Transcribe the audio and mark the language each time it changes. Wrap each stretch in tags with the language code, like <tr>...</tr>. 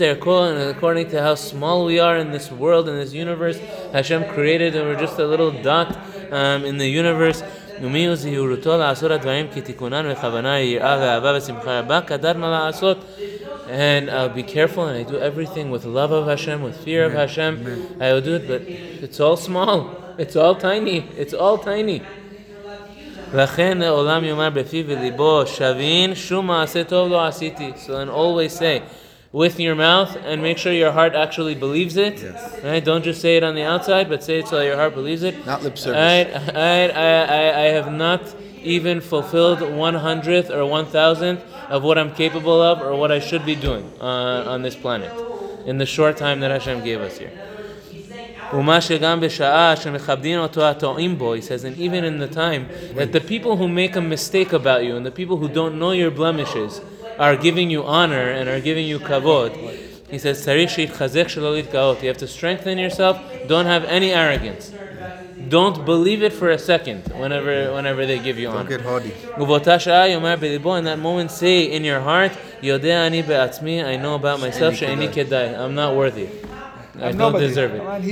<en>And according to how small we are in this world, in this universe, Hashem created, and we're just a little dot in the universe.</en> <he>ומיהו זהירותו לעשות הדברים כתיקונן וכוונה יראה ואהבה ושמחה רבה כדעת מה לעשות.</he> <en>And I'll be careful and I do everything with love of Hashem, with fear of Hashem. I will do it, but it's all small. It's all tiny. It's all tiny.</en> <he>לכן העולם יאמר בפי וליבו שווין שום מעשה טוב לא עשיתי.</he> <en>So then always say, with your mouth, and make sure your heart actually believes it. Yes. Right? Don't just say it on the outside, but say it so your heart believes it. Not lip service. I have not even fulfilled 100th or 1,000th of what I'm capable of or what I should be doing on this planet in the short time that Hashem gave us here.</en> <he>ומה שגם בשעה שמכבדים אותו הטועים בו,</he> <en>he says, and even in the time that the people who make a mistake about you and the people who don't know your blemishes are giving you honor and are giving you kavod, he says,</en> <he>צריך שיתחזק שלא להתגאות.</he> <en>You have to strengthen yourself. Don't have any arrogance. Don't believe it for a second whenever they give you honor. Don't get haughty.</en> <he>ובאותה שעה יאמר בליבו,</he> <en>in that moment say in your heart,</en> <he>יודע אני בעצמי,</he> <en>I know about myself,</en> <he>שאיני כדאי.</he> <en>I'm not worthy. I don't deserve it.</en>